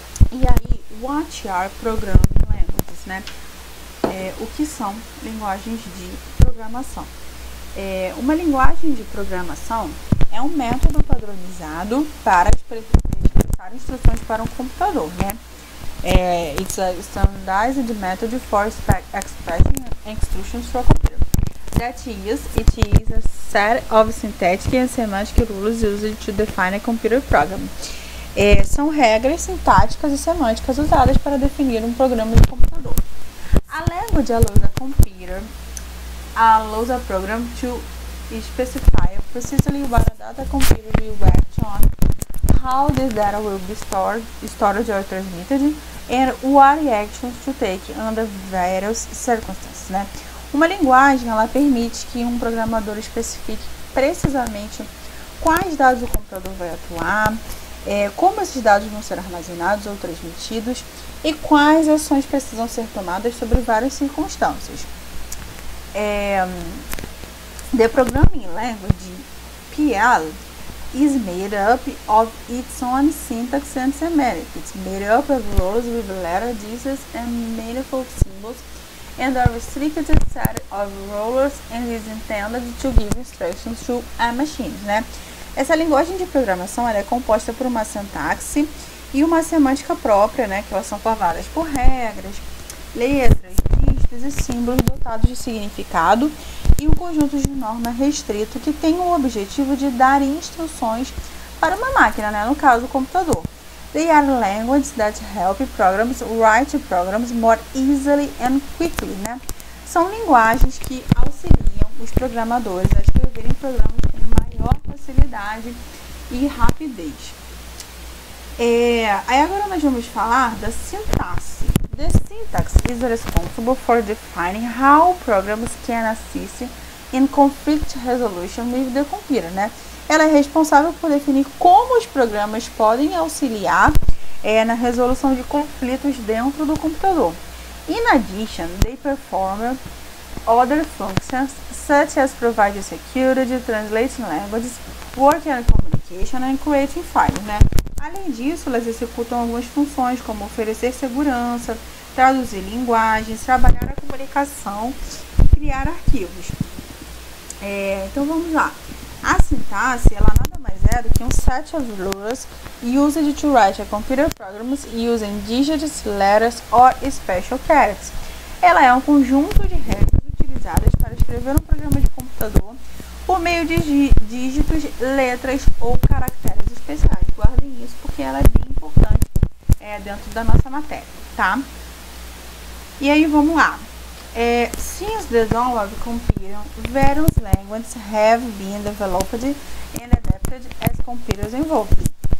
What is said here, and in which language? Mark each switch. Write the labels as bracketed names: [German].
[Portuguese] E aí, [English] what are programming languages, [Portuguese] né? O que são linguagens de programação? Uma linguagem de programação é um método padronizado para expressar instruções para um computador, né? [English] It's a standardized method for expressing instructions to a computer. It is a set of syntactic and semantic rules used to define a computer program. [Portuguese] São regras sintáticas e semânticas usadas para definir um programa de computador. [English] A language allows a computer, allows a program to specify precisely what a data computer will act on, how this data will be stored or transmitted, and what actions to take under various circumstances, né? [Portuguese] Uma linguagem, ela permite que um programador especifique precisamente quais dados o computador vai atuar, como esses dados vão ser armazenados ou transmitidos e quais ações precisam ser tomadas sobre várias circunstâncias. [English] The programming language, PL, is made up of its own syntax and semantics, made up of rows with letters, digits, and manifold symbols, and a restricted set of rules and is intended to give instructions to a machine, né? [Portuguese] Essa linguagem de programação, ela é composta por uma sintaxe e uma semântica própria, né? Que elas são formadas por regras, letras, dígitos e símbolos dotados de significado e um conjunto de normas restrito que tem o objetivo de dar instruções para uma máquina, né? No caso, o computador. [English] They are languages that help programs write programs more easily and quickly, né? [Portuguese] São linguagens que auxiliam os programadores a escreverem programas com maior facilidade e rapidez. Agora nós vamos falar da sintaxe. [English] The syntax is responsible for defining how programs can assist in conflict resolution with the computer, né? [Portuguese] Ela é responsável por definir como os programas podem auxiliar, na resolução de conflitos dentro do computador. [English] In addition, they perform other functions, such as providing security, translating languages, working on communication and creating files, né? [Portuguese] Além disso, elas executam algumas funções, como oferecer segurança, traduzir linguagens, trabalhar a comunicação e criar arquivos. Então vamos lá. A sintaxe, ela nada mais é do que um [English] set of rules used to write a computer programs using digits, letters or special characters. [Portuguese] Ela é um conjunto de regras utilizadas para escrever um programa de computador por meio de dígitos, letras ou caracteres especiais. Guardem isso porque ela é bem importante, dentro da nossa matéria, tá? E aí vamos lá. [English] Since the dawn of computing, various languages have been developed and adapted as computers evolved.